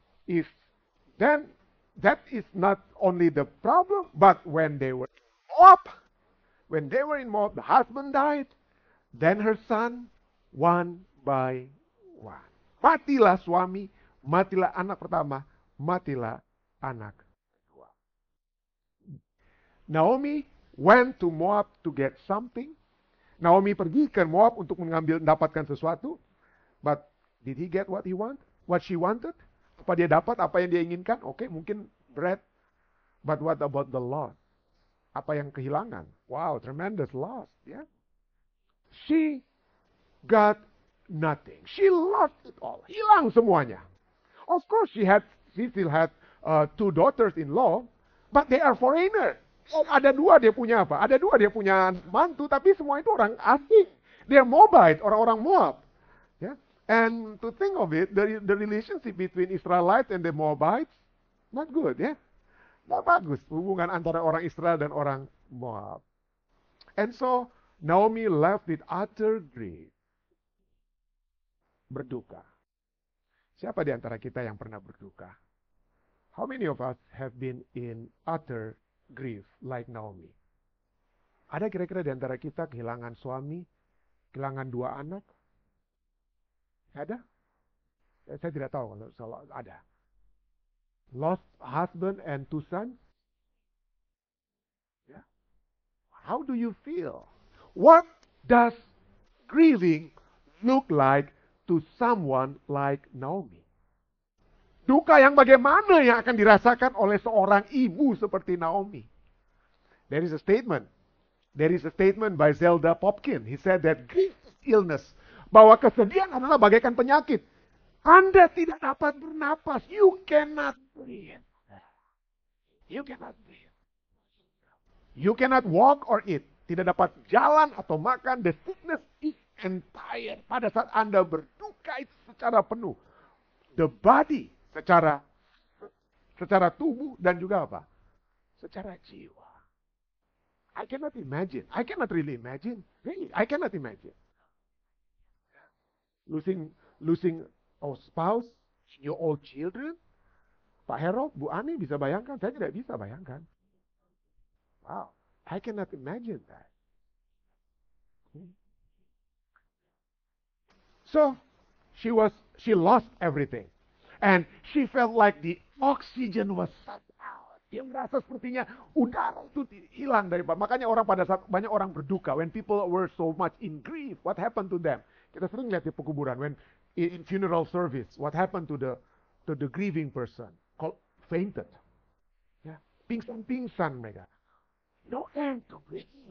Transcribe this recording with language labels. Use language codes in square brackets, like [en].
[en] If then that is not only the problem, but when they were up, when they were in Moab, the husband died, then her son, one by one. [id] Matilah suami, matilah anak pertama, matilah anak kedua. [en] Naomi went to Moab to get something. [id] Naomi pergi ke Moab untuk mendapatkan sesuatu. [en] But did he get what he want? What she wanted? [id] Apa dia dapat? Apa yang dia inginkan? Okay, mungkin bread. [en] But what about the loss? [id] Apa yang kehilangan? [en] Wow, tremendous loss. Yeah. She got nothing. She lost it all. [id] Hilang semuanya. [en] Of course, she still had two daughters-in-law, but they are foreigner. [id] Oh, ada dua dia punya apa? Ada dua dia punya mantu, tapi semua itu orang asing. [en] They are Moabite, [id] orang-orang Moab. [en] Yeah. And to think of it, the relationship between Israelites and the Moabites, not good, ya. Yeah. [id] Tidak bagus hubungan antara orang Israel dan orang Moab. [en] And so Naomi left with utter grief. [id] Berduka. Siapa di antara kita yang pernah berduka? [en] How many of us have been in utter grief like Naomi? [id] Ada kira-kira di antara kita kehilangan suami, kehilangan dua anak? Ada? Saya tidak tahu kalau ada. [en] Lost husband and two sons. Yeah. How do you feel? What does grieving look like to someone like Naomi? [id] Duka yang bagaimana yang akan dirasakan oleh seorang ibu seperti Naomi? [en] There is a statement. There is a statement by Zelda Popkin. He said that grief is illness. [id] Bahwa kesedihan adalah bagaikan penyakit. Anda tidak dapat bernapas. [en] You cannot breathe. You cannot breathe. You cannot walk or eat. [id] Tidak dapat jalan atau makan. [en] The sickness is entire. [id] Pada saat Anda berduka itu secara penuh. [en] The body [id] secara tubuh dan juga apa? Secara jiwa. [en] I cannot imagine. I cannot really imagine. Really, I cannot imagine. Losing our spouse, your old children, Pak Herold, Bu Ani, [id] bisa bayangkan? Saya tidak bisa bayangkan. [en] Wow, I cannot imagine that. So, she lost everything, and she felt like the oxygen was sucked out. [id] Dia merasa sepertinya udara itu hilang dari bapak. Makanya orang pada saat banyak orang berduka, [en] when people were so much in grief, what happened to them? [id] Kita sering lihat di pekuburan, [en] when in funeral service, what happened to the grieving person? Called fainted. Yeah. [id] Pingsan-pingsan mereka. [en] No end to grief.